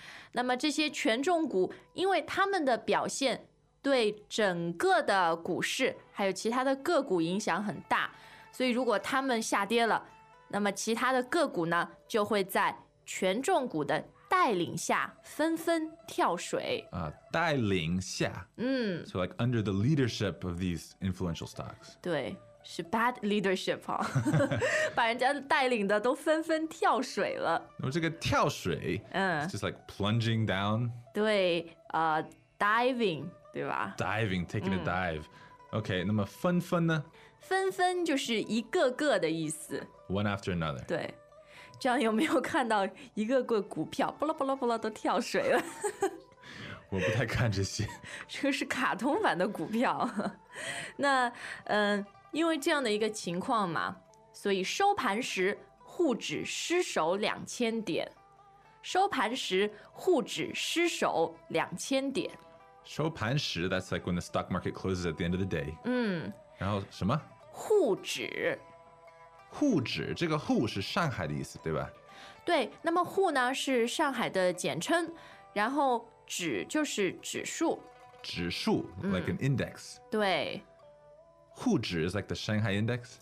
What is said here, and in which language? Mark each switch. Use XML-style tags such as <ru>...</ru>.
<zh>那么这些权重股，因为他们的表现对整个的股市还有其他的个股影响很大，所以如果他们下跌了，那么其他的个股呢就会在权重股的带领下纷纷跳水。带领下。</zh> <en>So like under the leadership of these influential stocks。</en> <zh>对。是</zh> <en>bad leadership</en> <zh>哦，把人家带领的都纷纷跳水了。那么这个跳水，</zh> <en>it's just like plunging down.</en> <zh>对，diving 对吧</zh> <en>Diving, taking a dive OK,</en> <zh>那么纷纷呢纷纷就是一个个的意思</zh> <en>One after another</en> <zh>对这样有没有看到一个个股票啵啦啵啦啵啦都跳水了我不太看这些这个是卡通版的股票那因为这样的一个情况嘛所以收盘时沪指失守两千点收盘时沪指失守两千点</zh> <en>收盘时 that's like when the stock market closes at the end of the day 嗯</en> <zh>然后什么沪指沪指这个沪是上海的意思对吧对那么沪呢是上海的简称然后指就是指数</zh> <en>指数 like an index</en> <zh>对</zh> <en>沪指 is like the Shanghai index</en>